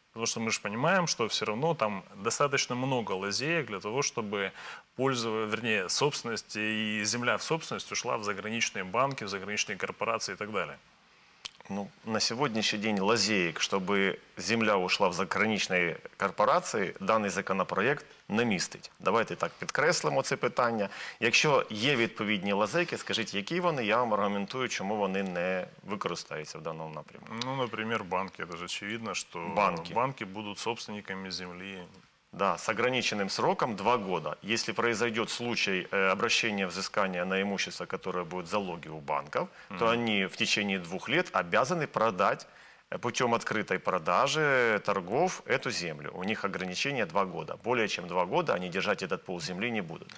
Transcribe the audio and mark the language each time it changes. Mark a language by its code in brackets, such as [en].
[ru] Потому что мы же понимаем, что все равно там достаточно много лазеек для того, чтобы пользоваться, вернее, собственность и земля в собственность ушла в заграничные банки, в заграничные корпорации и так далее. Ну, на сегодняшний день лазеек, чтобы земля ушла в заграничные корпорации, данный законопроект [uk] не містить. Давайте так підкреслимо це питання. Якщо є відповідні лазейки, скажіть, які вони, я вам аргументую, чому вони не використаються в даному напрямку. Ну, наприклад, банки. Це ж очевидно, що банки будуть собственниками землі. [ru] Да, с ограниченным сроком 2 года. Если произойдет случай обращения взыскания на имущество, которое будет залоги у банков, то они в течение 2 лет обязаны продать путем открытой продажи торгов эту землю. У них ограничение 2 года. Более чем 2 года они держать этот пол земли не будут.